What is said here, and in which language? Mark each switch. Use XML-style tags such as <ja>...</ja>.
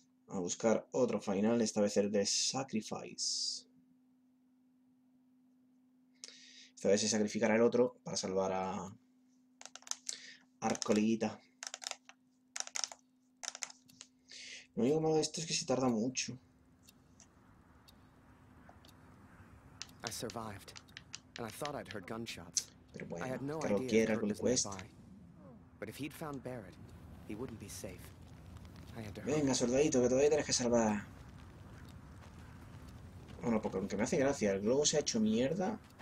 <es>A buscar otro final, esta vez el de Sacrifice. Esta vez es sacrificar al otro para salvar a Arcoliguita. Lo único malo de esto es que se tarda mucho.</es> <en>I survived, and I thought I'd heard gunshots.</en> <es>Pero bueno, creo que era con el quest.</es> <en>But if he'd found Barrett, he wouldn't be safe. I had to hurry.</en> <es>Venga, soldadito, que todavía tienes que salvar. Bueno, porque aunque me hace gracia, el globo se ha hecho mierda</es>